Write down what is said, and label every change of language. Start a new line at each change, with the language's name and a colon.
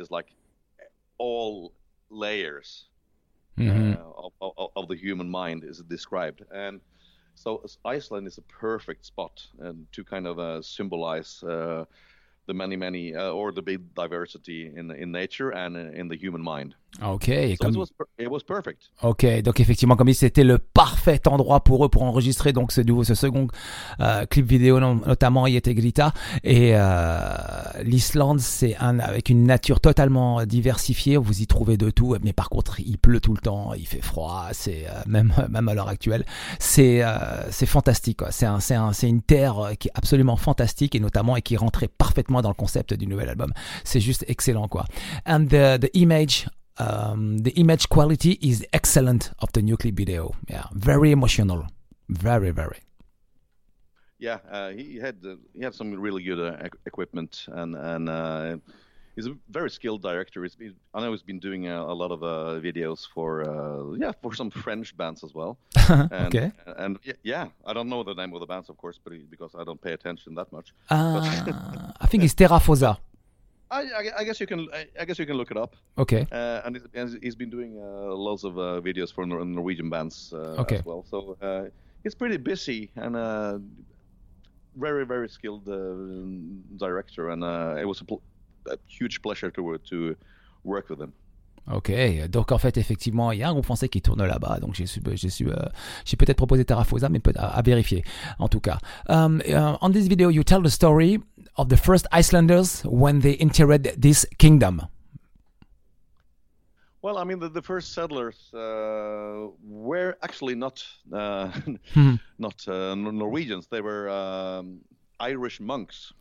English: It's like all layers of the human mind is described. And so Iceland is a perfect spot and to kind of symbolize the many, or the big diversity in nature and in the human mind. Okay. It was perfect.
French: Okay, donc effectivement, comme dit, c'était le parfait endroit pour eux pour enregistrer donc ce second clip vidéo, notamment Yeti Grita. Et l'Islande, c'est avec une nature totalement diversifiée, vous y trouvez de tout, mais par contre, il pleut tout le temps, il fait froid, c'est même à l'heure actuelle, c'est fantastique, quoi. C'est une terre qui est absolument fantastique et notamment et qui rentrait parfaitement dans le concept du nouvel album. C'est juste excellent, quoi.
English: And the image quality is excellent of the new clip video. Yeah, very emotional, very, very. Yeah, he had some really good equipment and he's a very skilled director. He's been doing a lot of videos for some French bands as well. Okay. And I don't know the name of the bands, of course, because I don't pay attention that much. I think it's Terra Fossa. I guess you can look it up. Okay. And he's been doing lots of videos for Norwegian bands as well. So he's pretty busy and a very, very skilled director. And it was a huge pleasure to work with him.
French: Ok, donc en fait effectivement il y a un groupe français qui tourne là-bas, donc j'ai peut-être proposé Terra Fossa, mais à vérifier en tout cas.
English: On this video you tell the story of the first Icelanders when they entered this kingdom. Well, I mean the first settlers were actually not Norwegians, they were Irish monks.